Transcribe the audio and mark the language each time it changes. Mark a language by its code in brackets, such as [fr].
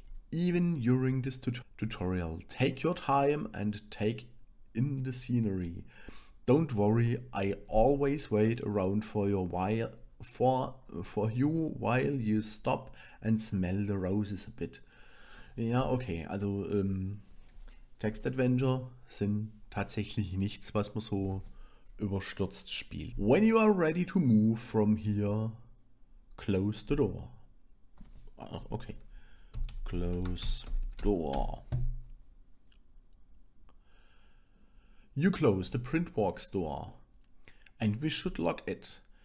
[en] Even during this tutorial, take your time and take in the scenery. Don't worry, I always wait around for your while for you while you stop and smell the roses a bit. [de] Ja, okay, also Text-Adventure sind tatsächlich nichts, was man so überstürzt spielt. [en] When you are ready to move from here, close the door. Okay. Close door. You close the print box door. And we should lock it.